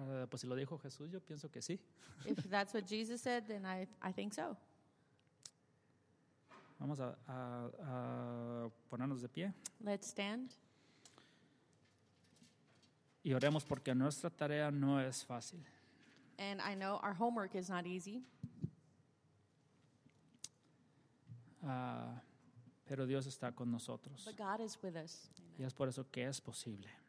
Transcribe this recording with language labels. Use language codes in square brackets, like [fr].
[es] Pues si lo dijo Jesús, yo pienso que sí. [en] If that's what Jesus said, then I think so. [es] Vamos a ponernos de pie. [en] Let's stand. [es] Y oremos porque nuestra tarea no es fácil. [en] And I know our homework is not easy. [es] Pero Dios está con nosotros. [en] But God is with us. [es] Y es por eso que es posible.